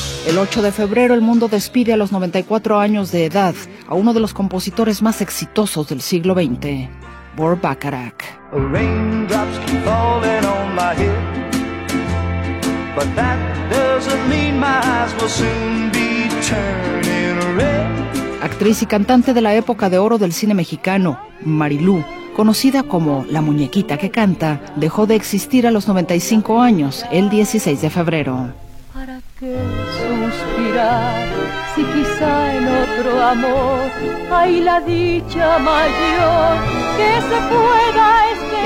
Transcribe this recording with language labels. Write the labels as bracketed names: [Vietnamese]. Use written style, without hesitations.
[Spanish] El 8 de febrero, el mundo despide a los 94 años de edad a uno de los compositores más exitosos del siglo XX, Burt Bacharach. [English] Raindrops keep falling on my head, but that doesn't mean my eyes will soon be turning red. [Spanish] Actriz y cantante de la época de oro del cine mexicano, Marilú, conocida como La Muñequita que Canta, dejó de existir a los 95 años, el 16 de febrero. ¿Para qué suspirar si quizá en otro amor hay la dicha mayor que se pueda esperar?